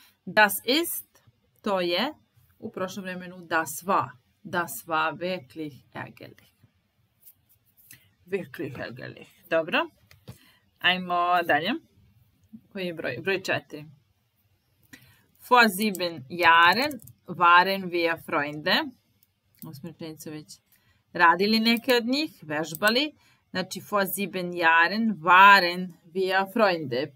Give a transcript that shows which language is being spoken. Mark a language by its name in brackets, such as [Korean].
[German] Das ist, [Serbian] to je, u prošlom vremenu, [German] das war wirklich ärgerlich. Wirklich ärgerlich, [Serbian] dobro. Ajmo dalje, koji je broj? Broj 4. [German] Vor 7 Jahren waren wir Freunde. [Serbian] Osmičenica već radili neke od njih, vežbali. Znači, [German] vor 7 Jahren waren wir Freunde.